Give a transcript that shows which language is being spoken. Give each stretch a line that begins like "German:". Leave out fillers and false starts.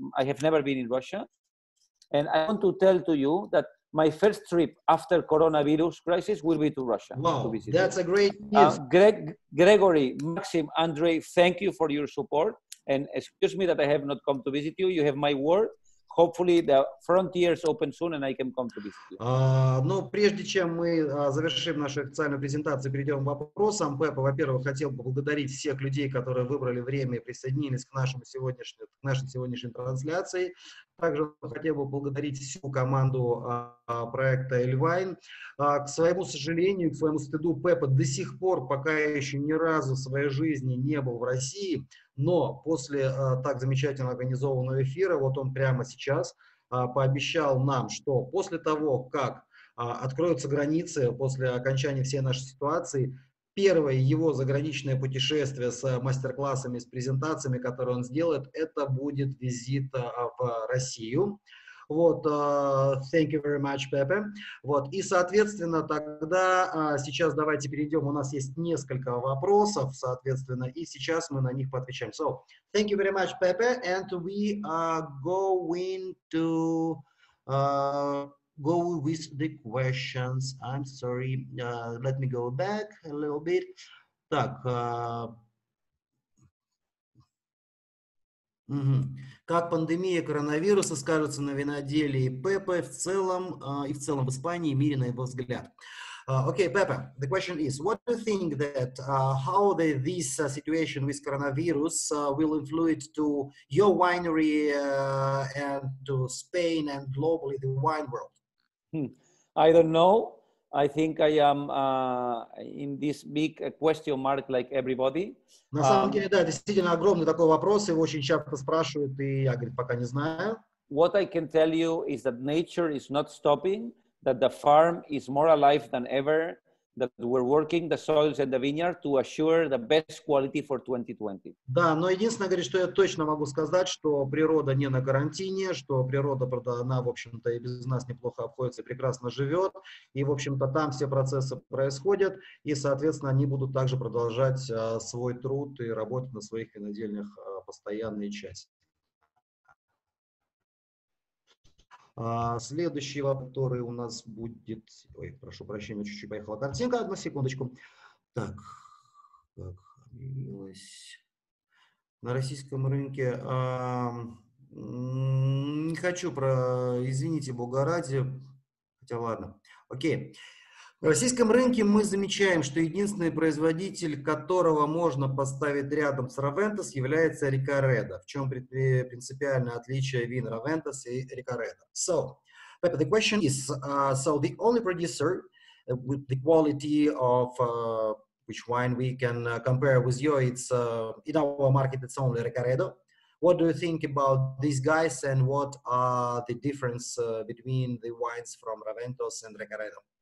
English: I have never been in Russia. And I want to tell to you that my first trip after coronavirus crisis will be to Russia. Wow, to visit. That's a great news. Gregory, Maxim, Andrei, thank you for your support. And excuse me that I have not come to visit you. You have my word. Hopefully the frontiers open soon and I can come to visit you.
Russian: Прежде чем мы завершим нашу официальную презентацию, перейдем к вопросам. Пеппа, во-первых, хотел бы поблагодарить всех людей, которые выбрали время и присоединились к нашей сегодняшней трансляции. Также хотел бы поблагодарить всю команду проекта Эльвайн. К своему сожалению, к своему стыду, Пеппа до сих пор пока еще ни разу в своей жизни не был в России. Но после так замечательно организованного эфира, вот он прямо сейчас пообещал нам, что после того, как откроются границы, после окончания всей нашей ситуации, первое его заграничное путешествие с мастер-классами, с презентациями, которые он сделает, это будет визит в Россию.
English: Вот, thank you very much, Pepe.
Russian: Вот, и, соответственно, тогда сейчас давайте перейдем. У нас есть несколько вопросов, соответственно, и сейчас мы на них поотвечаем.
English: So, thank you very much, Pepe, and we are going to go with the questions. I'm sorry, let me go back a little bit.
Russian: Так, как пандемия коронавируса скажется на виноделии Пепе в целом и в целом в Испании и мире, на его взгляд?
English: Okay, Pepe, the question is, what do you think that how the this situation with coronavirus will influence to your winery and to Spain and globally the wine world? I don't know. I think I am in this big question mark like everybody.
Russian: На самом деле, да, действительно огромный такой вопрос, его очень часто спрашивают, и я, говорит, пока не знаю.
English: What I can tell you is that nature is not stopping, that the farm is more alive than ever, that we're working the soils and the vineyard to assure the best quality for 2020.
Russian: Да, но единственное, говорит, что я точно могу сказать, что природа не на карантине, что природа, правда, она, в общем-то, и без нас неплохо обходится, прекрасно живет, и, в общем-то, там все процессы происходят, и, соответственно, они будут также продолжать свой труд и работать на своих винодельнях постоянные части. Следующий вопрос, который у нас будет... Ой, прошу прощения, чуть-чуть поехала картинка. Одну секундочку. Так, как появилось на российском рынке. Не хочу про... Извините, Бога ради. Хотя ладно. Окей. На российском рынке мы замечаем, что единственный производитель, которого можно поставить рядом с Raventos, является Рикоредо. В чем принципиальное отличие вин Raventos и Рикоредо?
English: So, Pepe, the question is, so the only producer with the quality of which wine we can compare with you, it's in our market, it's only Рикоредо. What do you think about these guys and what are the difference between the wines from Raventos and Рикоредо?